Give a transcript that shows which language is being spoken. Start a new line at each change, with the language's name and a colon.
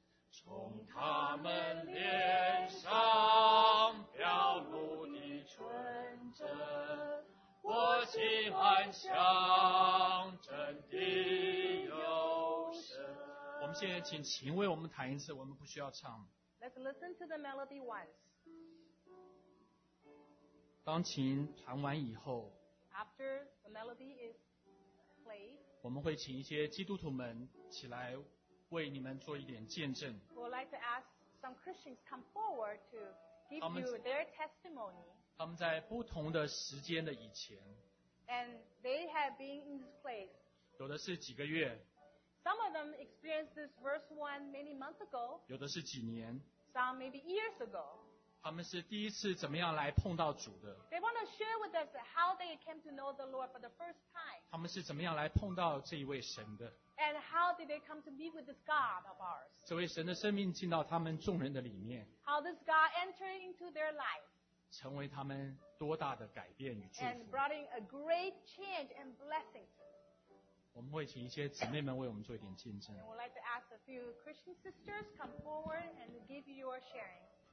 Chinese: 从他们脸上表露的纯真，我心安详真的有神。我们现在请琴为我们弹一次，我们不需要唱。
English: Let's listen to the melody once.
Chinese: 钢琴弹完以后，
English: After the melody is played,
Chinese: 我们会请一些基督徒们起来为你们做一点见证。
English: We'd like to ask some Christians come forward to give you their testimony.
Chinese: 他们在不同的时间的以前。
English: And they have been in this place.
Chinese: 有的是几个月。
English: Some of them experienced this verse 1 many months ago.
Chinese: 有的是几年。
English: Some maybe years ago.
Chinese: 他们是第一次怎么样来碰到主的。
English: They want to share with us how they came to know the Lord for the first time.
Chinese: 他们是怎么样来碰到这一位神的。
English: And how did they come to meet with this God of ours?
Chinese: 这位神的生命进到他们众人的里面。
English: How this God entered into their life.
Chinese: 成为他们多大的改变与祝福。
English: And brought in a great change and blessing.
Chinese: 我们会请一些姊妹们为我们做一点见证。
English: And we'd like to ask a few Christian sisters come forward and give you your sharing.